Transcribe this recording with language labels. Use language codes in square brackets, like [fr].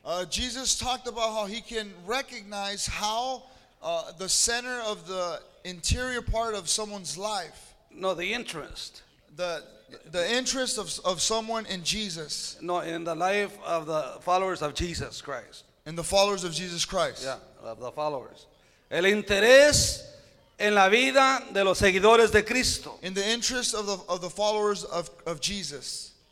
[en] Jesus talked about how he can recognize how the center of the interior part of someone's life. No, the interest. The interest of someone in Jesus. No, in the life of the followers of Jesus Christ. In the followers of Jesus Christ. Yeah, of the followers. [es] El interés en la vida de los seguidores de Cristo. [en] In the interest of the followers of Jesus.